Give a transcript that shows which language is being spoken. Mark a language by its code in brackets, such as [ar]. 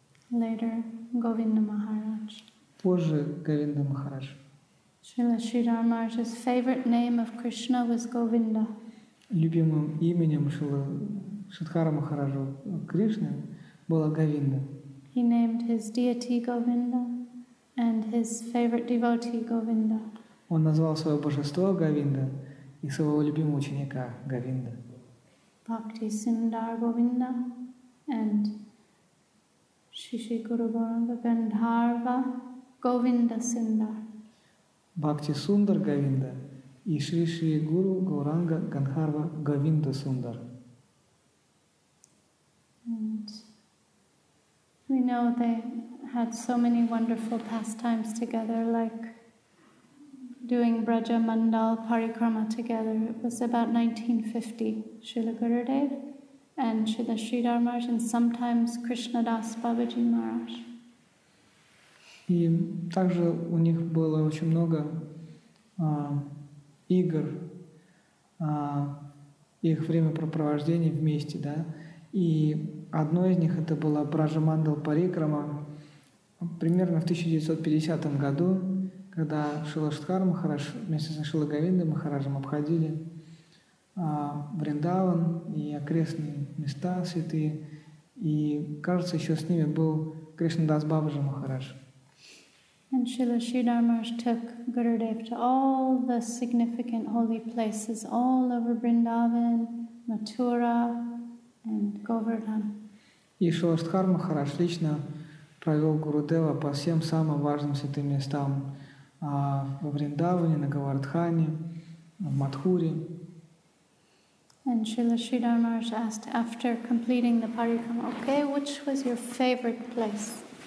[en] Later, Говинда Махарадж. [ru] Позже Говинда Махарадж. [en] Srila Sridhar Maharaj's favorite name of Krishna was Govinda. [ru] Любимым именем Шрила Шридхара Махараджа Кришны было Говинда. [en] He named his deity Govinda and his favorite devotee Govinda. [ru] Он назвал свое божество Говинда и своего любимого ученика Говинда. [en] Bhakti Sundar Govinda and Shishi Guru Gandharva Govinda Sundar. [ru] Bhakti Sundar Govinda и Шри Шри Гуру Гауранга Гандхарва Говинда Сундар. [en] And we know they had so many wonderful pastimes together, like doing Braja Mandal Parikrama together. It was about 1950, Srila Gurudev and Srila Sridhar Maharaj, and sometimes Krishna Das Babaji Maharaj. [ru] И также у них было очень много игр, их времяпрепровождения вместе, да. И одно из них это было Бража Мандал Парикрама примерно в 1950 году, когда Шрила Шридхар Махарадж вместе с Шрилой Говиндой Махараджем обходили Вриндаван и окрестные места святые. И кажется, еще с ними был Кришнадас Бабаджи Махарадж. [en] And Srila Sridhar Maharaj took Gurudev to all the significant holy places all over Vrindavan, Mathura, and Govardhan. [ru] И Шрила Шридхар Махарадж лично провел Гурудева по всем самым важным святым местам в Вриндаване, на Говардхане, в Матхуре. [en] And Srila Sridhar Maharaj asked, after completing the Parikrama, okay, which was your favorite place?